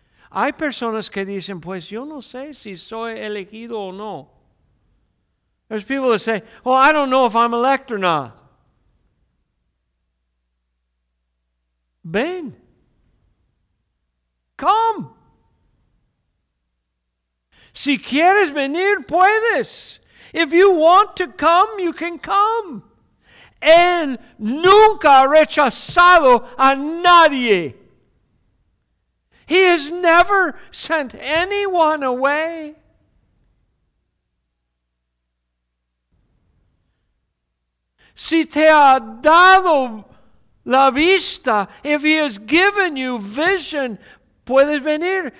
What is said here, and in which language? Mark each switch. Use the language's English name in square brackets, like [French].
[Spanish] Hay personas que dicen, pues yo no sé si soy elegido o no. [English] There's people that say, oh, I don't know if I'm elect or not. [Spanish] Ven. [English] Come. [Spanish] Si quieres venir, puedes. [English] If you want to come, you can come. [Spanish] Él nunca ha rechazado a nadie. [English] He has never sent anyone away. [Spanish] Si te ha dado la vista, [English] if he has given you vision, [Spanish] puedes venir.